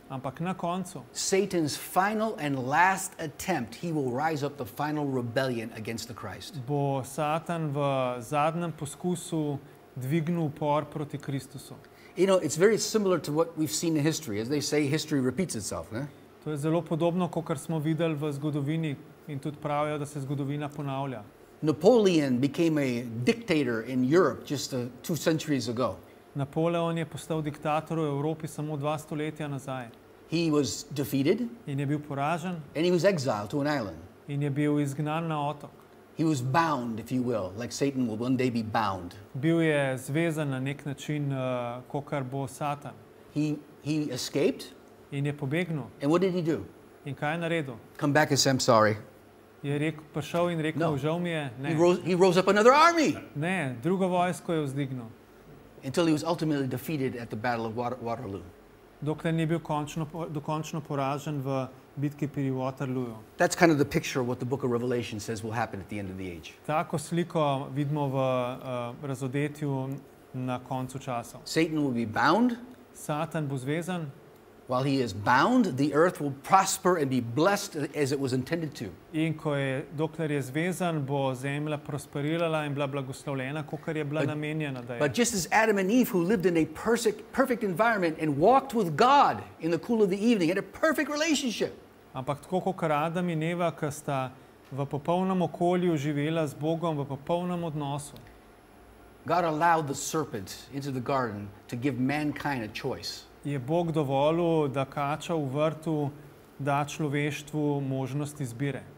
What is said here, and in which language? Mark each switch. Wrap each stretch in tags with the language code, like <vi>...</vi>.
<sl>ampak na koncu,</sl> <en>Satan's final and last attempt, he will rise up the final rebellion against the Christ.</en> <sl>Bo Satan v zadnjem poskusu dvignul upor proti Kristusu.</sl> <en>You know, it's very similar to what we've seen in history. As they say, history repeats itself, ne?</en> <sl>To je zelo podobno, kakor smo videli v zgodovini in tudi pravijo, da se zgodovina ponavlja.</sl> <en>Napoleon became a dictator in Europe just two centuries ago.</en> <sl>Napoleon je postal diktator v Evropi samo dva stoletja nazaj.</sl> <en>He was defeated.</en> <sl>In je bil poražen.</sl> <en>And he was exiled to an island.</en> <sl>In je bil izgnan na otok.</sl> <en>He was bound, if you will, like Satan will one day be bound.</en> <sl>Bil je zvezan na nek način, kakor bo Satan.</sl> <en>He escaped.</en> <sl>In je pobegnul.</sl> <en>And what did he do?</en> <sl>In kaj je naredil?</sl> <en>Come back and say, I'm sorry.</en> <sl>Je prišel in rekel, žal mi je, ne.</sl> <en>He rose up another army.</en> <sl>Ne, drugo vojsko je vzdignil.</sl> <en>Until he was ultimately defeated at the Battle of Waterloo.</en> <sl>Dokler ni bil dokončno poražen v bitki pri Waterloo.</sl> <en>That's kind of the picture of what the book of Revelation says will happen at the end of the age.</en> <sl>Tako sliko vidimo v razodetju na koncu časa.</sl> <en>Satan will be bound.</en> <sl>Satan bo zvezan.</sl> <en>While he is bound, the earth will prosper and be blessed as it was intended to.</en> <sl>In ko je, dokler je zvezan, bo zemlja prosperirala in bila blagoslovljena, kakor je bila namenjena, da je.</sl> <en>But just as Adam and Eve, who lived in a perfect environment and walked with God in the cool of the evening, had a perfect relationship.</en> <sl>Ampak tako kakor Adam in Eva, ki sta v popolnem okolju živela z Bogom v popolnem odnosu.</sl> <en>God allowed the serpent into the garden to give mankind a choice.</en> <sl>Je Bog dovolil, da kača v vrtu da človeštvu možnost izbire.</sl>